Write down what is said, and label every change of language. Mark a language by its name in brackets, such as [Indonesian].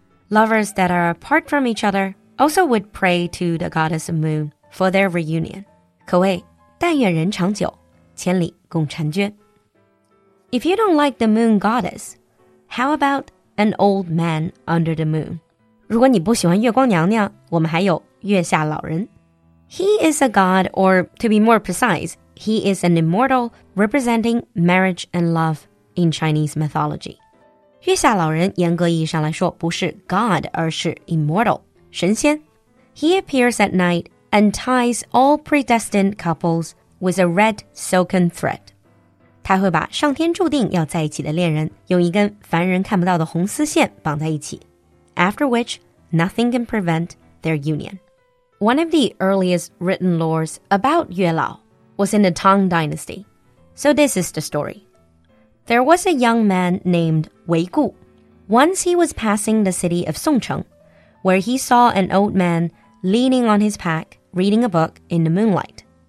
[English] Lovers that are apart from each other also would pray to the goddess of moon for their reunion. [Chinese] 可谓但愿人长久千里共婵娟。 [English] If you don't like the moon goddess, how about an old man under the moon? [Chinese] 如果你不喜欢月光娘娘我们还有月下老人。 [English] He is a god, or to be more precise, he is an immortal representing marriage and love in Chinese mythology. [Chinese] 月下老人严格意义上来说不是 god, 而是 immortal, 神仙。 [English] He appears at night and ties all predestined couples with a red silken thread. [Chinese] 他会把上天注定要在一起的恋人用一根凡人看不到的红丝线绑在一起。 [English] After which, nothing can prevent their union. One of the earliest written lores about Yue Lao was in the Tang Dynasty. So this is the story. There was a young man named Wei Gu. Once he was passing the city of Songcheng, where he saw an old man leaning on his pack, reading a book in the moonlight.